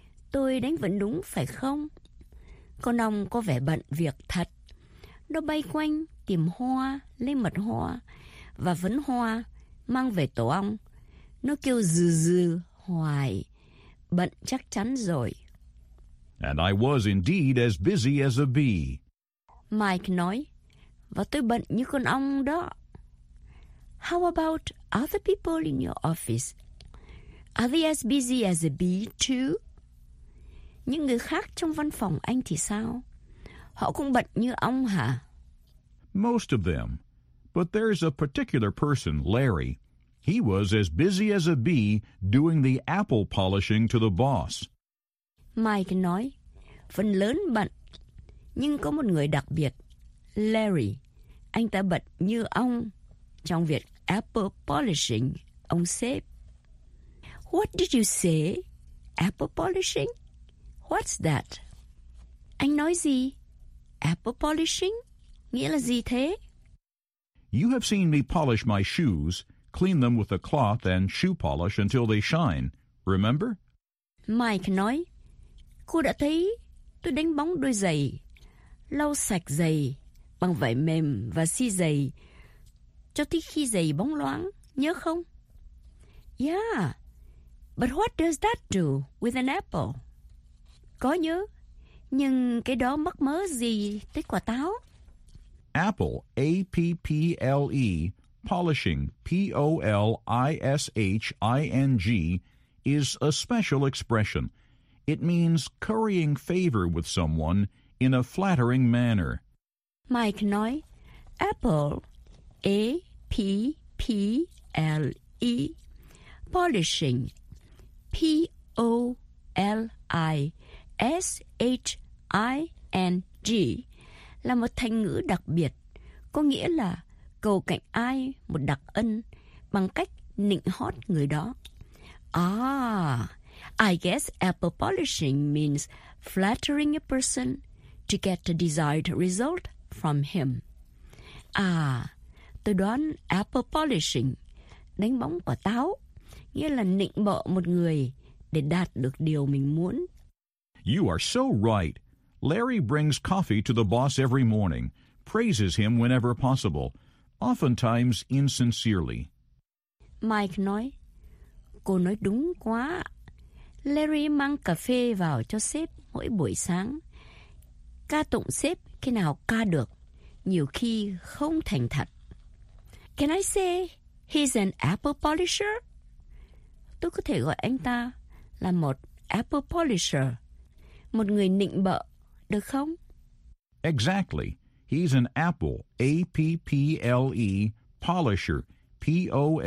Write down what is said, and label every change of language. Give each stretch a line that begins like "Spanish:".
Vietnamese: Tôi đánh vẫn đúng phải không? Con ong có vẻ bận việc thật. Nó bay quanh tìm hoa, lấy mật hoa và phấn hoa mang về tổ ong. Nó kêu dư dư hoài, bận chắc chắn rồi.
English: And I was indeed as busy as a bee.
Vietnamese: Mike nói, và tôi bận như con ong đó.
English: How about other people in your office? Are they as busy as a bee too?
Vietnamese: Những người khác trong văn phòng anh thì sao? Họ cũng bận như ong hả?
English: Most of them. But there's a particular person, Larry. He was as busy as a bee doing the apple polishing to the boss.
Vietnamese: Mike nói, phần lớn bận, nhưng có một người đặc biệt, Larry. Anh ta bận như ong trong việc
English: apple polishing
Vietnamese: ông sếp.
English: What did you say? Apple polishing? What's that?
Vietnamese: Anh nói gì? Apple polishing? Nghĩa là gì thế?
English: You have seen me polish my shoes, clean them with a cloth and shoe polish until they shine. Remember?
Vietnamese: Mike nói, cô đã thấy tôi đánh bóng đôi giày, lau sạch giày bằng vải mềm và xi giày cho tới khi giày bóng loáng, nhớ không?
English: Yeah, but what does that do with an apple?
Vietnamese: Có nhớ, nhưng cái đó mắc mớ gì tới quả táo?
English: Apple, A-P-P-L-E, polishing, P-O-L-I-S-H-I-N-G, is a special expression. It means currying favor with someone in a flattering manner.
Vietnamese: Mike nói, Apple, A-P-P-L-E, polishing, P-O-L-I-S-H-I-N-G, là một thành ngữ đặc biệt, có nghĩa là cầu cạnh ai một đặc ân bằng cách nịnh hót người đó.
English: I guess apple polishing means flattering a person to get the desired result from him.
Vietnamese: Tôi đoán
English: apple polishing,
Vietnamese: đánh bóng quả táo, nghĩa là nịnh bợ một người để đạt được điều mình muốn.
English: You are so right. Larry brings coffee to the boss every morning, praises him whenever possible, oftentimes insincerely.
Vietnamese: Mike nói, cô nói đúng quá. Larry mang cà phê vào cho sếp mỗi buổi sáng, ca tụng sếp khi nào ca được, nhiều khi không thành thật.
English: Can I say he's an apple polisher?
Vietnamese: Tôi có thể gọi anh ta là một
English: apple polisher,
Vietnamese: một người nịnh bợ, được không?
English: Exactly. He's an apple, A-P-P-L-E, polisher, P-O-L-I-S-H-E-R.